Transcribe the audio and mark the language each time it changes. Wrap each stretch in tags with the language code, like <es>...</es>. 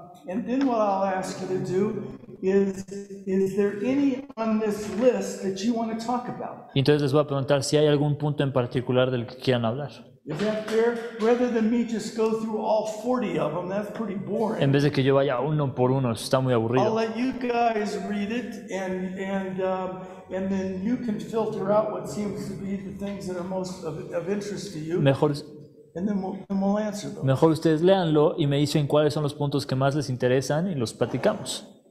<en>And then what I'll ask you to do is there any on this list that you want to talk about?</en> <es>Y entonces les voy a preguntar si hay algún punto en particular del que quieran hablar.</es> <en>Is that fair? Rather than me just go through all 40 of them, that's pretty boring.</en> <es>En vez de que yo vaya uno por uno, está muy aburrido.</es> <en>I'll let you guys read it, and then you can filter out what seems to be the things that are most of interest to you.</en> <es>Mejor.</es> <en>And then we'll answer those.</en> <es>Mejor ustedes léanlo y me dicen cuáles son los puntos que más les interesan y los platicamos.</es>